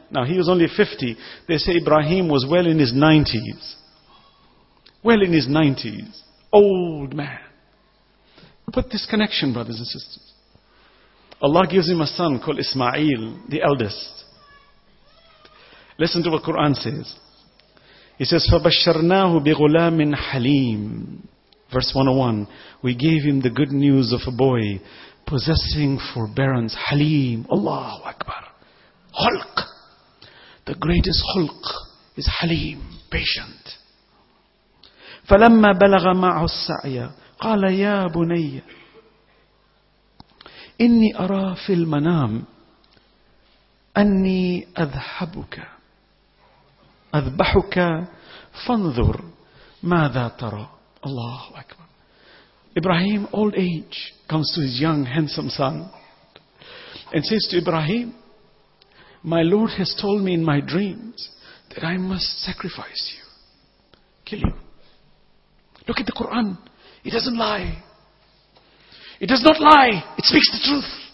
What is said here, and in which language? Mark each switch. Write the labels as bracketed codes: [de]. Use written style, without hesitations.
[en] Now, he was only 50. They say Ibrahim was well in his 90s. Well in his 90s. Old man. Put this connection, brothers and sisters. Allah gives him a son called Ismail, the eldest. Listen to what Quran says. He says, [ar] فَبَشَّرْنَاهُ بِغُلَامٍ حَلِيمٍ. [en] Verse 101, we gave him the good news of a boy possessing forbearance. Halim, Allahu Akbar. Khulq. The greatest khulq is halim, patient. [ar] فلما بلغ معه السعي قال يا بني إني أرى في المنام أني أذهبك أذبحك فانظر ماذا ترى. الله أكبر. [en] إبراهيم old age comes to his young handsome son and says to Ibrahim, my Lord has told me in my dreams that I must sacrifice you, kill you. Look at the Quran. It doesn't lie. It does not lie. It speaks the truth.